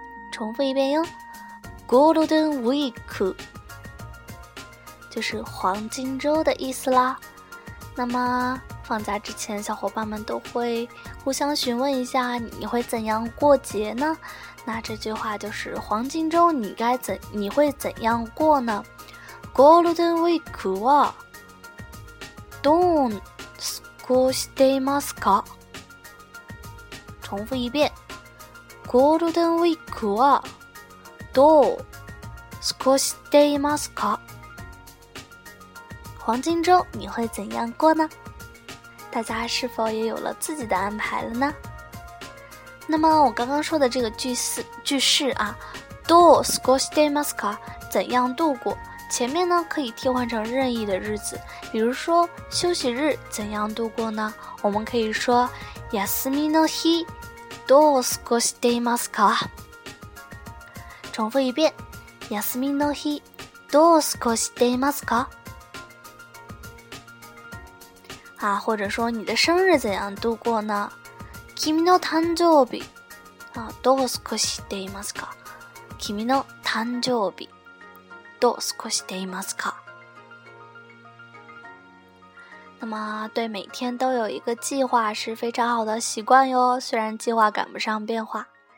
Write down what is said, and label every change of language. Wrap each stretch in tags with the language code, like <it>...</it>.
<zh>重复一遍哟， Golden Week 就是黄金周的意思啦。那么放假之前，小伙伴们都会互相询问一下你会怎样过节呢？那这句话就是黄金周你会怎样过呢？</zh> <ja>Golden Week はどう過ごしていますか？</ja> <zh>重复一遍，</zh> <ja>Golden Week はどう過ごしていますか？</ja> <zh>黄金周你会怎样过呢？大家是否也有了自己的安排了呢？那么我刚刚说的这个句式啊，</zh> <ja>どう過ごしていますか？</ja> <zh>怎样度过？前面呢可以替换成任意的日子，比如说休息日怎样度过呢？我们可以说</zh> <ja>休みの日どう過ごしていますか？</ja> <zh>重复一遍，</zh> <ja>休みの日どう過ごしていますか？</ja> <zh>啊，或者说你的生日怎样度过呢？</zh> <ja>君の誕生日啊，どう過ごしていますか？君の誕生日どう過ごしていますか？</ja> <zh>那么对每天都有一个计划是非常好的习惯哟，虽然计划赶不上变化。</zh>